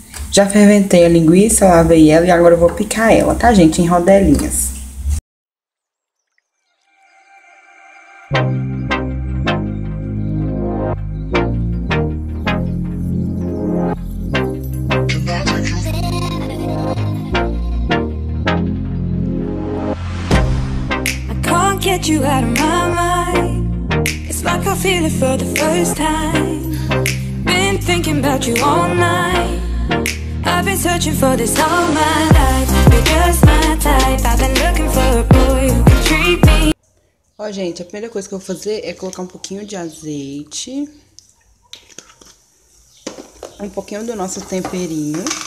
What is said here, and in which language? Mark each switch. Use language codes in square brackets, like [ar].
[pt] Já ferventei a linguiça, lavei ela e agora eu vou picar ela, tá, gente? Em rodelinhas. [en] I can't get you out of my mind. It's like I feel it for the first time. Thinking about you all night. I've been searching for this all my life. You're just my type. I've been looking for a boy who can treat me. [pt] Ó, gente, a primeira coisa que eu vou fazer é colocar um pouquinho de azeite, um pouquinho do nosso temperinho.